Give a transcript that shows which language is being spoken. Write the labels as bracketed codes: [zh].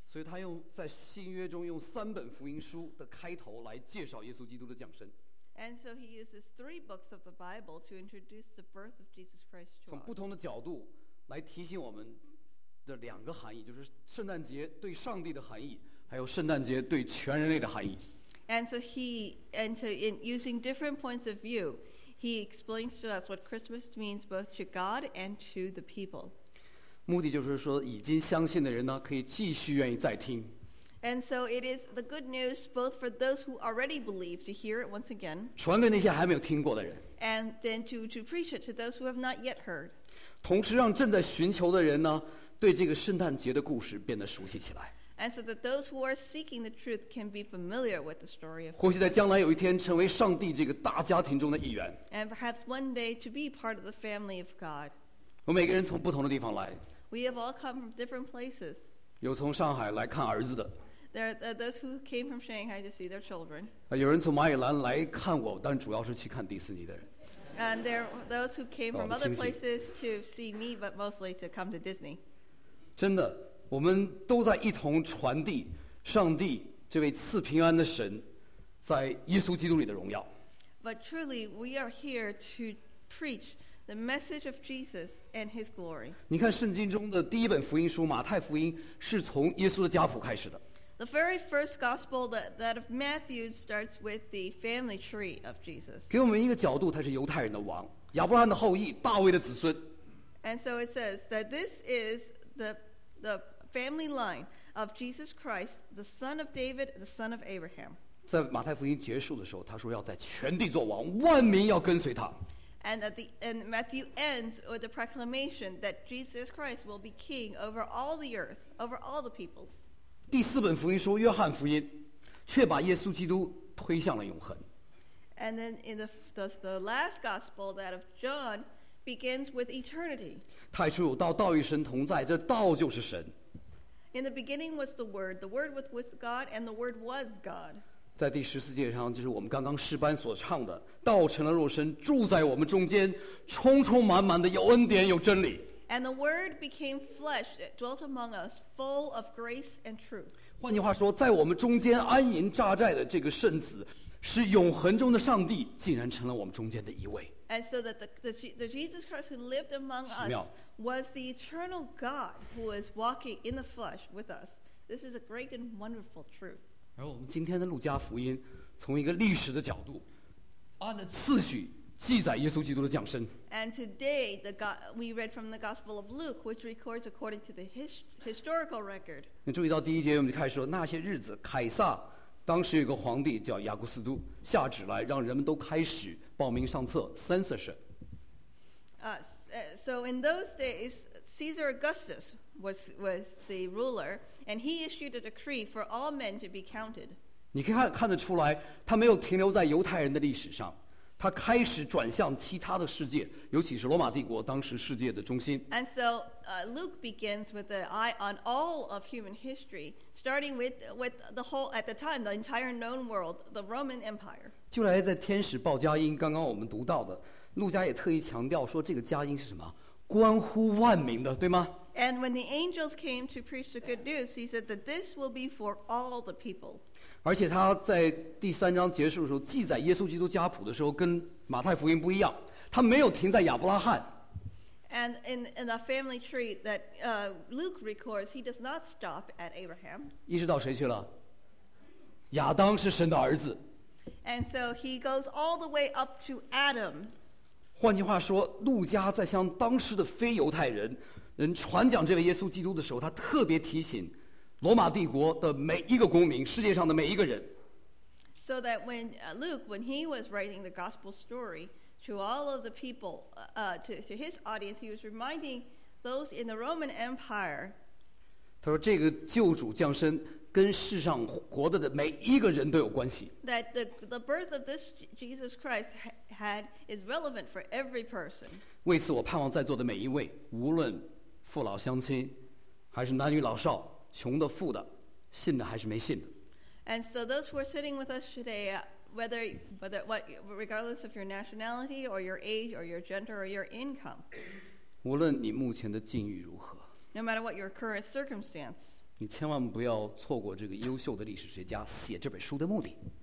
[zh] 所以他用在新约中用三本福音书的开头来介绍耶稣基督的降生。 [en] And so he uses three books of the Bible to introduce the birth of Jesus Christ to us. [zh] 从不同的角度来提醒我们的两个含义，就是圣诞节对上帝的含义，还有圣诞节对全人类的含义。 [en] And so in using different points of view, he explains to us what Christmas means both to God and to the people. [zh] 目的就是说，已经相信的人呢，可以继续愿意再听。 [en] And so it is the good news both for those who already believe to hear it once again. [zh] 传给那些还没有听过的人。 [en] And then to preach it to those who have not yet heard. [zh] 同时让正在寻求的人呢，对这个圣诞节的故事变得熟悉起来。 [en] And so that those who are seeking the truth can be familiar with the story of. [zh] 或许在将来有一天成为上帝这个大家庭中的一员。 [en] And perhaps one day to be part of the family of God. [zh] 我们每个人从不同的地方来。 [en] We have all come from different places. [zh] 有从上海来看儿子的。 [en] There are those who came from Shanghai to see their children. [zh] 有人从马里兰来看我，但主要是去看迪士尼的人。 [en] And there are those who came from other places to see me, but mostly to come to Disney. [zh] 真的。我们都在一同传递上帝这位赐平安的神在耶稣基督里的荣耀。 [en] But truly, we are here to preach the message of Jesus and His glory. [zh] 你看圣经中的第一本福音书马太福音是从耶稣的家谱开始的。 [en] The very first gospel that of Matthew starts with the family tree of Jesus. [zh] 给我们一个角度，他是犹太人的王，亚伯拉罕的后裔，大卫的子孙。 [en] And so it says that this is the family line of Jesus Christ, the son of David, the son of Abraham. [zh] 在马太福音结束的时候，他说要在全地做王，万民要跟随他。 [en] And at the end, Matthew ends with the proclamation that Jesus Christ will be king over all the earth, over all the peoples. [zh] 第四本福音书约翰福音，却把耶稣基督推向了永恒。 [en] And then in the last gospel, that of John. Begins with eternity. [zh] 太初有道，道与神同在，这道就是神。 [en] In the beginning was the word was with God, and the word was God. [zh] 在第十四节上，就是我们刚刚诗班所唱的，道成了肉身，住在我们中间，充充满满的有恩典，有真理。 [en] And the word became flesh, it dwelt among us, full of grace and truth. [zh] 换句话说，在我们中间安营扎寨的这个圣子。是永恒中的上帝竟然成了我们中间的一位。 [en] And so that the Jesus Christ who lived among us was the eternal God who was walking in the flesh with us. This is a great and wonderful truth. [zh] 然后我们今天的路加福音从一个历史的角度按着次序记载耶稣基督的降生。 [en] And today we read from the Gospel of Luke which records according to the historical record. [zh] 你注意到第一节我们就开始说那些日子凯撒当时有个皇帝叫亚古斯都下旨来让人们都开始报名上册 censorship。 [en] So in those days Caesar Augustus was the ruler and he issued a decree for all men to be counted. [zh] 你可以看得出来他没有停留在犹太人的历史上他开始转向其他的世界尤其是罗马帝国当时世界的中心。 [en] And so, Luke begins with an eye on all of human history, starting with the whole, at the time, the entire known world, the Roman Empire. [zh] 就来在天使报佳音刚刚我们读到的路加也特意强调说这个佳音是什么关乎万民的对吗 [en] And when the angels came to preach the good news, he said that this will be for all the people. [zh] 而且他在第三章结束的时候记载耶稣基督家谱的时候跟马太福音不一样他没有停在亚伯拉罕 [en] and in the family tree that Luke records he does not stop at Abraham [zh] 一直到谁去了亚当是神的儿子 [en] and so he goes all the way up to Adam [zh] 换句话说路加在向当时的非犹太人传讲这位耶稣基督的时候他特别提醒罗马帝国的每一个公民，世界上的每一个人。 [en] So that when Luke, when he was writing the gospel story to all of the people, to his audience, he was reminding those in the Roman Empire. [zh] 他说：“这个救主降生跟世上活的每一个人都有关系。 [en] ”That the birth of this Jesus Christ had is relevant for every person. [zh] 为此，我盼望在座的每一位，无论父老乡亲，还是男女老少。穷的富的信的还是没信的 [en] and so those who are sitting with us today regardless of your nationality or your age or your gender or your income. [zh] 无论你目前的境遇如何。 [en] No matter what your current circumstance. [zh] 你千万不要错过这个优秀的历史学家写这本书的目的。